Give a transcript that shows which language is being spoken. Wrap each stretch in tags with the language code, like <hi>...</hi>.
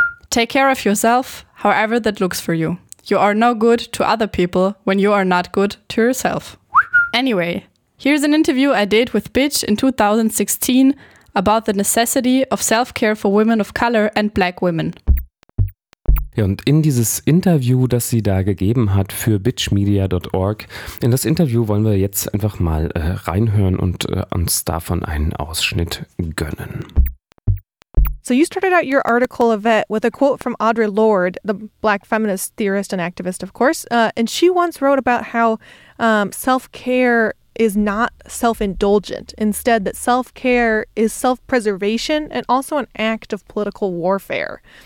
<en>Take care of yourself, however that looks for you. You are no good to other people when you are not good to yourself. Anyway, here's an interview I did with Bitch in 2016 about the necessity of self-care for women of color and black women.</en> <de>Ja, und in dieses Interview, das sie da gegeben hat für bitchmedia.org, in das Interview wollen wir jetzt einfach mal reinhören und uns davon einen Ausschnitt gönnen.</de> <en>So you started out your article, Yvette, with a quote from Audre Lorde, the black feminist theorist and activist, of course. And she once wrote about how self-care is not self-indulgent. Instead, that self-care is self-preservation and also an act of political warfare.</en>